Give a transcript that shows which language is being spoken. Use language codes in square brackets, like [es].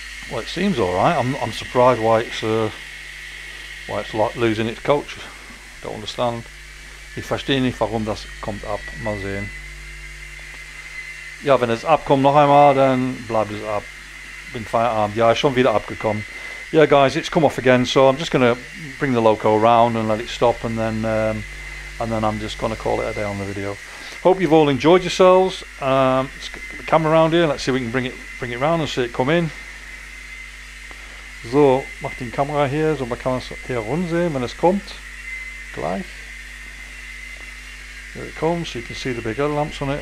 [en] Well, it seems all right. I'm surprised why it's losing its coach. Don't understand. [de] Ich verstehe nicht, warum das kommt ab. Mal sehen. Ja, wenn es abkommt noch einmal, dann bleibt es ab. Bin Feierabend. Ja, schon wieder abgekommen. [en] Yeah, guys, it's come off again. So I'm just gonna bring the loco around and let it stop, and then I'm just gonna call it a day on the video. Hope you've all enjoyed yourselves. Let's come around here. Let's see if we can bring it around and see it come in. [de] So, mach die Kamera hier, so man kann es hier runsehen, wenn es kommt. Gleich. [en] Here it comes, so you can see the big other lamps on it.